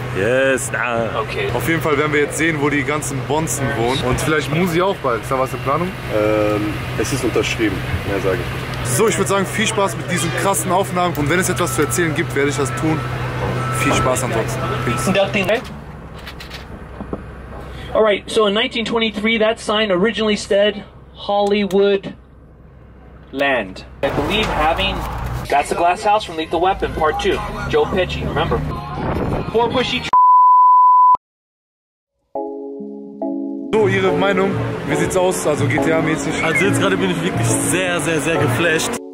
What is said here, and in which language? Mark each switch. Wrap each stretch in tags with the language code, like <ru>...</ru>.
<en>Yes. Okay.</en> <de>Auf jeden Fall werden wir jetzt sehen, wo die ganzen Bonzen wohnen. Und vielleicht Musi auch bald. Ist da was in Planung? Es ist unterschrieben. Mehr sage ich. So, ich würde sagen, viel Spaß mit diesen krassen Aufnahmen. Und wenn es etwas zu erzählen gibt, werde ich das tun. Viel Spaß ansonsten. Peace.</de> <en>Alright, so in 1923, that sign originally said Hollywood Land. I believe having... That's the glass house from Lethal Weapon, part 2. Joe Pesci, remember? Four pushy...</en> <de>Ihre Meinung? Wie sieht's aus, also GTA-mäßig? Also jetzt gerade bin ich wirklich sehr geflasht.</de>